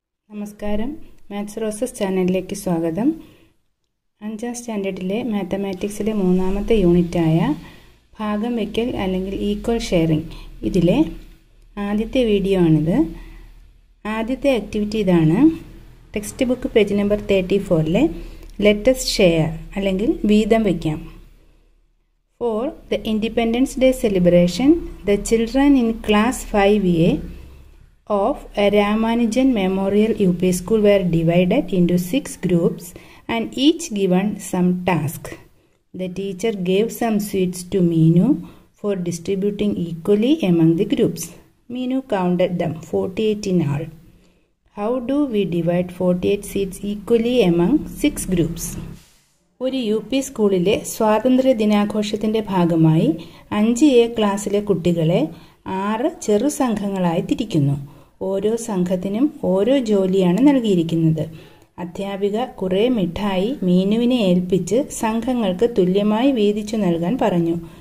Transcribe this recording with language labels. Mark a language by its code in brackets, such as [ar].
[ml] നമസ്കാരം, maths roses ചാനലിലേക്ക് സ്വാഗതം. അഞ്ചാം സ്റ്റാൻഡേർഡിലെ മാത്തമാറ്റിക്സിലെ മൂന്നാമത്തെ യൂണിറ്റായ ഭാഗം വയ്ക്കൽ അല്ലെങ്കിൽ ഈക്വൽ ഷെയറിംഗ് ഇതിലെ ആദ്യത്തെ വീഡിയോ ആണിത്. ആദ്യത്തെ ആക്ടിവിറ്റി ഇതാണ്. Text book page number 34 let's share അല്ലെങ്കിൽ വീതം വയ്ക്കാം. [en] For the Independence Day celebration the children in class 5A of a Ramanujan Memorial UP school were divided into 6 groups and each given some task. The teacher gave some sweets to Meenu for distributing equally among the groups. Meenu counted them, 48 in all. How do we divide 48 seats equally among 6 groups? [ml] ഒരു U P സ്കൂളിലെ സ്വാതന്ത്ര്യ ദിനാഘോഷത്തിന്റെ ഭാഗമായി 5A ക്ലാസ്സിലെ കുട്ടികളെ 6 ചെറു സംഘങ്ങളായി തിരിക്കുന്നു. ഓരോ സംഘത്തിനും ഓരോ ജോലിയാണ് നൽകിയിരിക്കുന്നത്. അധ്യാപിക കുറേ മിഠായി മീനുവിനെ ഏൽപ്പിച്ച് സംഘങ്ങൾക്ക് തുല്യമായി വീതിച്ചു നൽകാൻ പറഞ്ഞു.